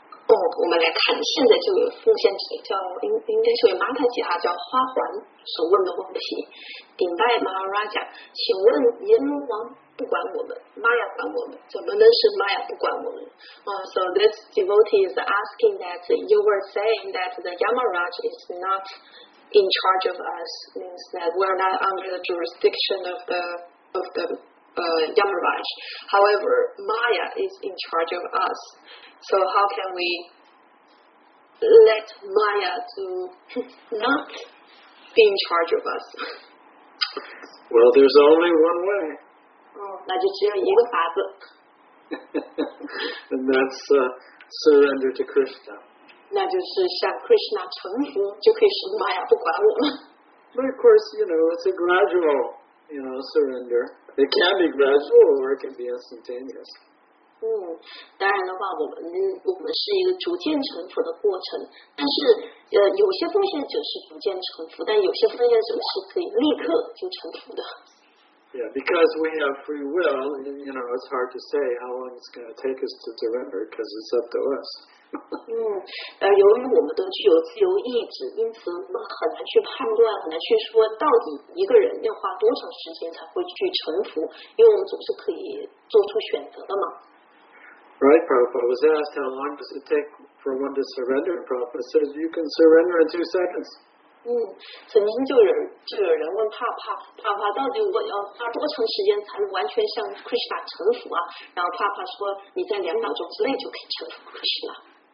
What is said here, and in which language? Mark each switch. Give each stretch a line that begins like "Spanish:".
Chinese: 我们来看，现在就有奉献者叫应该是位玛塔吉哈叫花环所问的问题。顶拜马哈拉贾，请问阎罗王不管我们，玛雅管我们，怎么能是玛雅不管我们？
English: So this devotee is asking that you were saying that the Yamaraj is not in charge of us, means that we're not under the jurisdiction of the Yamaraj. However, Maya is in charge of us. So how can we let Maya to not be in charge of us? Well, there's only one way.
Chinese: 那就只有一个法子。
English: And that's surrender to Krishna.
Chinese: 那就是向 Krishna 臣服，就可以使 Maya 不管我们。
English: But of course, you know, it's a gradual, you know, surrender. It can be gradual or it can be instantaneous.
Chinese: 当然的话我们是一个逐渐臣服的过程，但是有些奉献者是逐渐臣服，但有些奉献者是可以立刻就臣服的。
English: Yeah, because we have free will, and, you know, it's hard to say how long it's going to take us to surrender because it's up to us.
Chinese: 由于我们都具有自由意志，因此我们很难去判断，很难去说到底一个人要花多长时间才会去臣服，因为我们总是可以做出选择的嘛。
English: Right, Prabhupada was asked how long does it take for one to surrender, and Prabhupada says you can surrender in 2 seconds.
Chinese: 曾经就有人问帕帕到底我要花多长时间才能完全向 Krishna 臣服啊？然后帕帕说你在2秒钟之内就可以臣服 Krishna。